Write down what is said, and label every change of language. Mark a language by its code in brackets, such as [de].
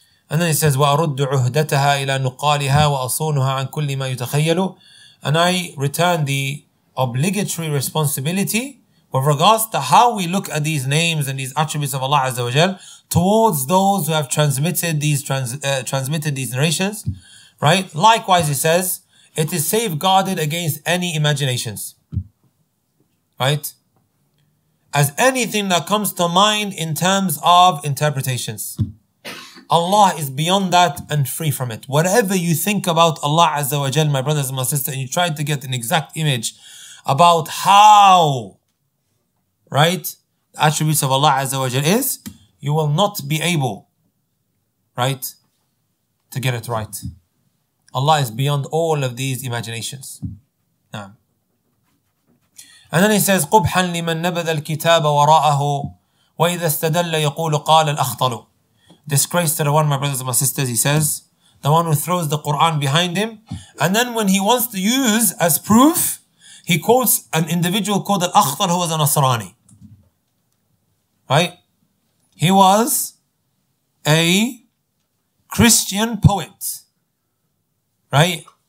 [en] And then it says, [ar] وَأَرُدُّ عُهْدَتَهَا إِلَى نُقَالِهَا وَأَصُونُهَا عَنْ كُلِّ مَا يُتَخَيَّلُ. [en] And I return the obligatory responsibility with regards to how we look at these names and these attributes of Allah Azza wa Jal towards those who have transmitted these narrations, right? Likewise, he says, it is safeguarded against any imaginations, right? As anything that comes to mind in terms of interpretations. Allah is beyond that and free from it. Whatever you think about Allah Azza wa Jal, my brothers and my sisters, and you try to get an exact image about how, right, the attributes of Allah Azza wa Jal is, you will not be able, right, to get it right. Allah is beyond all of these imaginations. And then he says, [ar] قُبْحًا لِمَن نَبَذَ الْكِتَابَ وَرَاءَهُ وَإِذَا اسْتَدَلَّ يَقُولُ قَالَ الْأَخْطَلُ. [en] Disgrace to the one, my brothers and my sisters, he says, the one who throws the Quran behind him. And then when he wants to use as proof, he quotes an individual called Al-Akhtar, who was a Nasrani. Right? He was a Christian poet. Right?